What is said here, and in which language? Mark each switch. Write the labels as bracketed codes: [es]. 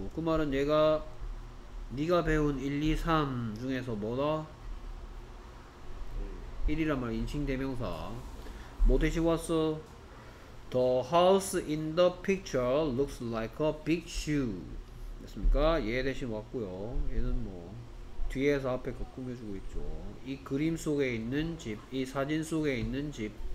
[ko] 그 말은 얘가 네가 배운 1, 2, 3 중에서 뭐다? 1이란 말 인칭 대명사 뭐 대신 왔어? [en] The house in the picture looks like a big shoe. [ko] 됐습니까? 얘 대신 왔고요. 얘는 뭐 뒤에서 앞에 거 꾸며주고 있죠. 이 그림 속에 있는 집, 이 사진 속에 있는 집.